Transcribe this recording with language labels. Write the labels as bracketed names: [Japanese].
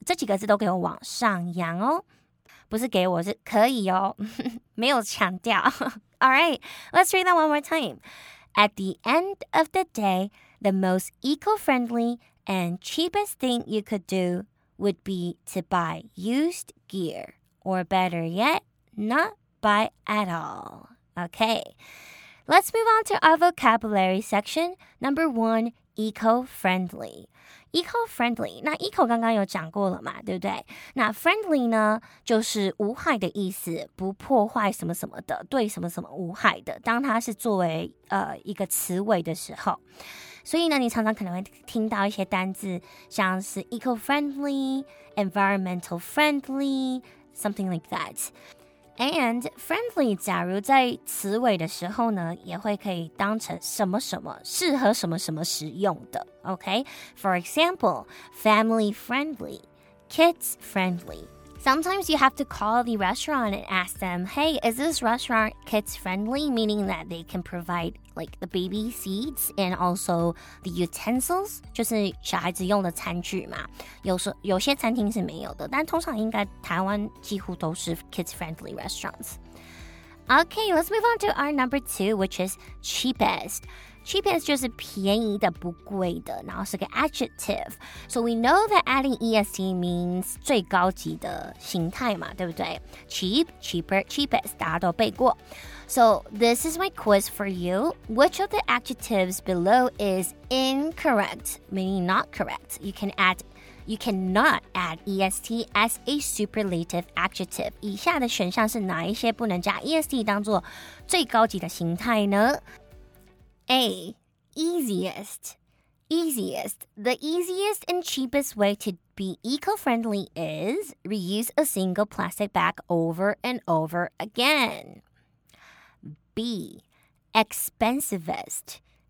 [Chinese] 这几个字都给我往上扬哦。不是给我，是可以哦。没有强调。 [English] All right, let's read that one more time. At the end of the day, the most eco-friendly and cheapest thing you could do would be to buy used gear. Or better yet, not buy at all. Okay, let's move on to our vocabulary section. Number one,Eco-friendly. [Chinese] 那 eco 刚刚有讲过了嘛，对不对？那 friendly 呢，就是无害的意思，不破坏什么什么的，对什么什么无害的。当它是作为一个词尾的时候，所以呢，你常常可能会听到一些单字，像是 [English] eco-friendly, environmental friendly, something like that. And friendly, [Chinese] 假如在词尾的时候呢，也会可以当成什么什么，适合什么什么使用的。 [English] Okay, for example, family friendly, kids friendly. Sometimes you have to call the restaurant and ask them, hey, is this restaurant kids friendly? Meaning that they can provide like the baby seats and also the utensils, [Chinese] 就是小孩子用的餐具嘛。有些餐厅是没有的，但通常应该台湾几乎都是 [English] kids friendly restaurants. Okay, let's move on to our number two, which is cheapest. [Chinese] Cheapest 就是便宜的不贵的，然后是个 adjective. [English] So we know that adding ESD means [Chinese] 最高级的形态嘛，对不对？ [English] Cheap, cheaper, cheapest, [Chinese] 大家都背过。 [English] So this is my quiz for you. Which of the adjectives below is incorrect, meaning not correct? You cannot add EST as a superlative adjective. [Chinese] 以下的选项是哪一些不能加 EST 当作最高级的形态呢？ [English] A. Easiest. The easiest and cheapest way to be eco-friendly is reuse a single plastic bag over and over again. B. Expensivest.